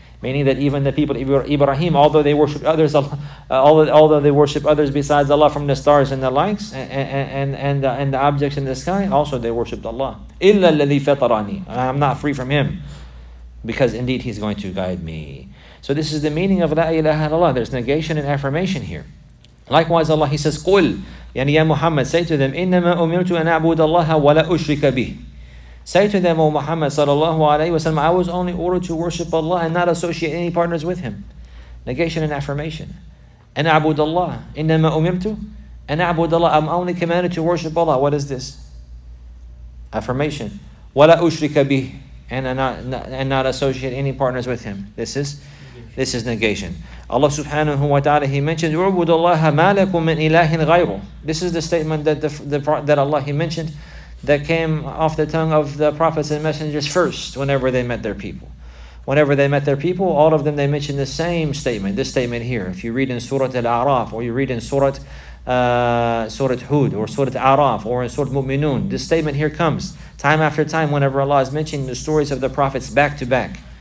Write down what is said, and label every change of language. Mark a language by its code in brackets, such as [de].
[en] Meaning that even the people Ibrahim, although they worship others, although they worship others besides Allah, from the stars and the likes and the objects in the sky, also they worshiped Allah. [ar] Illa alladhi fatarani. [en] I am not free from Him, because indeed He's going to guide me. So this is the meaning of La ilaha illallah. There's negation and affirmation here. Likewise, Allah, He says, [ar] قُلْ, يعني يا محمد, [en] say to them, [ar] إِنَّمَا أُمِرْتُ أَنْ أَعْبُدَ اللَّهَ وَلَا أُشْرِكَ بِهِ. [en] Say to them, O Muhammad sallallahu alayhi wa sallam, I was only ordered to worship Allah and not associate any partners with Him. Negation and affirmation. [ar] أَنْ أَعْبُدَ اللَّهَ. إِنَّمَا أُمِرْتُ أَنْ أَعْبُدَ اللَّهَ. [en] I'm only commanded to worship Allah. What is this? Affirmation. [ar] وَلَا أُشْرِكَ بِهِ. [en] And not associate any partners with Him. This is negation. Allah subhanahu wa ta'ala, He mentioned, [ar] وَعْبُدُ اللَّهَ مَا لَكُمْ مِنْ إِلَٰهٍ غَيْرُ. [en] This is the statement that that Allah, He mentioned, that came off the tongue of the prophets and messengers first whenever they met their people. Whenever they met their people, all of them, they mentioned the same statement, this statement here. If you read in Surah Al-A'raf, or you read in Surah Hud, or Surah Al-A'raf, or in Surah Mu'minun, this statement here comes time after time whenever Allah is mentioning the stories of the prophets back to back.